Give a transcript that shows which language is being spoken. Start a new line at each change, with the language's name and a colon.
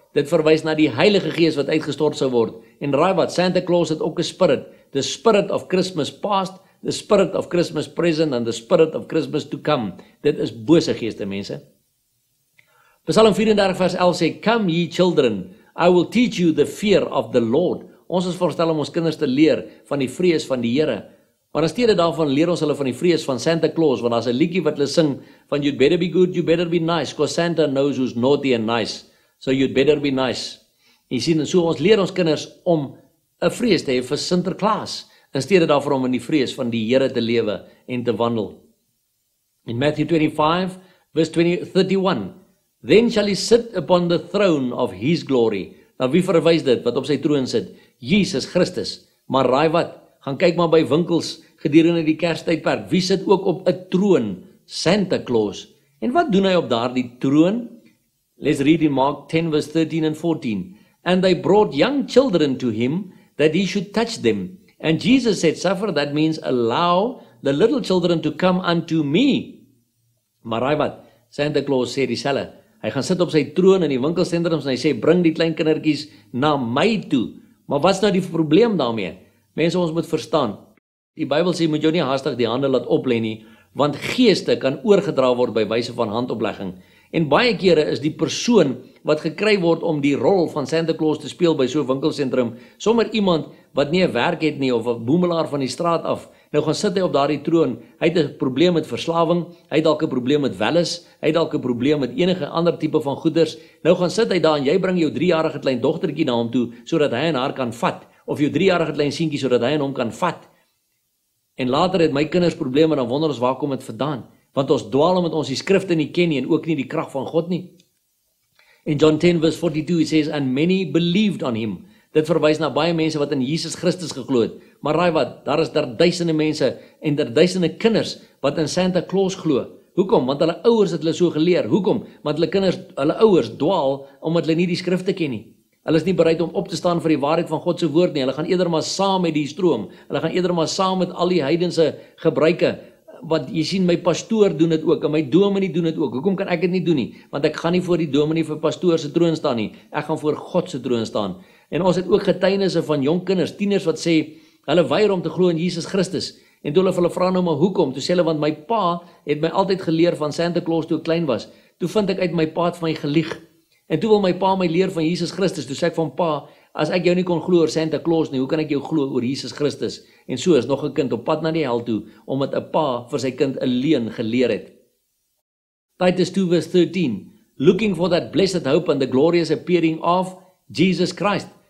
Afrikaans: Dit verwys na die Heilige Gees wat uitgestort sou word. En raai wat, Santa Claus het ook 'n spirit.
English: The spirit of Christmas past, the spirit of Christmas present, and the spirit of Christmas to come.
Afrikaans: Dit is bose geeste, mense. Psalm 34 vers 11 sê,
English: come ye children, I will teach you the fear of the Lord.
Afrikaans: Ons is voorstel om ons kinders te leer van die vrees van die Here. Maar in steede daarvan leer ons hulle van die vrees van Santa Claus, want daar's 'n liedjie wat hulle sing van
English: you'd better be good, you better be nice, 'cause Santa knows who's naughty and nice. So you'd better be nice.
Afrikaans: Jy sien, en so ons leer ons kinders om 'n vrees te hê vir Sinterklaas, in steede daarvan om in die vrees van die Here te lewe en te wandel.
English: In Matthew 25 vers 31, then shall he sit upon the throne of his glory.
Afrikaans: Na wie verwys dit wat op sy troon sit? Jesus Christus. Maar raai wat? Gaan kyk maar by winkels gedurende die kerstydperk. Wie sit ook op 'n troon? Santa Claus. En wat doen hy op daardie troon?
English: Let's read in Mark 10 verse 13 and 14. And they brought young children to him that he should touch them. And Jesus said, suffer, that means allow the little children to come unto me.
Afrikaans: Maar raai wat? Santa Claus sê dieselfde. Hy gaan sit op sy troon in die winkelsentrums en hy sê, bring die klein kindertjies na my toe. Maar wat's nou die probleem daarmee? Mense, ons moet verstaan, die Bybel sê, moet jou nie haastig die hande laat oplê nie, want geeste kan oorgedra word by wyse van handoplegging. En baie kere is die persoon wat gekry word om die rol van Santa Claus te speel by so'n winkelsentrum, sommer iemand wat nie 'n werk het nie, of 'n boemelaar van die straat af, nou gaan sit hy op daardie troon, hy het 'n probleem met verslawing, hy het dalk 'n probleem met welis, hy het dalk 'n probleem met enige ander tipe van goeders, nou gaan sit hy daar en jy bring jou 3-jarige klein dogtertjie na hom toe, sodat hy en haar kan vat, of jou 3-jarige klein seentjie, sodat hy en hom kan vat. En later het my kinders probleme, dan wonder ons waar kom dit vandaan, want ons dwaal omdat ons die skrifte nie ken nie, en ook nie die krag van God nie.
English: In John 10 verse 42, he says, and many believed on him.
Afrikaans: Dit verwys na baie mense wat in Jesus Christus geglo het. Maar raai wat, daar is daar duisende mense, en daar duisende kinders, wat in Santa Claus glo. Hoekom? Want hulle ouers het hulle so geleer. Hoekom? Want hulle kinders, hulle ouers dwaal, omdat hulle nie die skrifte ken nie. Hulle is nie bereid om op te staan vir die waarheid van God se woord nie. Hulle gaan eerder maar saam met die stroom. Hulle gaan eerder maar saam met al die heidense gebruike. Want jy sien, my pastoor doen dit ook, en my dominee doen dit ook. Hoekom kan ek dit nie doen nie? Want ek gaan nie voor die dominee vir pastoor se troon staan nie. Ek gaan voor God se troon staan. En ons het ook getuienisse van jong kinders, tieners wat sê, hulle weier om te glo in Jesus Christus. En toe hulle vra nou maar hoekom, toe sê hulle, want my pa het my altyd geleer van Santa Claus toe ek klein was. Toe vind ek uit my pa het van my gelieg. En toe wil my pa my leer van Jesus Christus, toe sê ek van pa, as ek jou nie kon glo oor Santa Claus nie, hoe kan ek jou glo oor Jesus Christus? En so is nog 'n kind op pad na die hel toe, omdat 'n pa vir sy kind 'n leuen geleer het.
English: Titus 2 verse 13, looking for that blessed hope and the glorious appearing of Jesus Christ.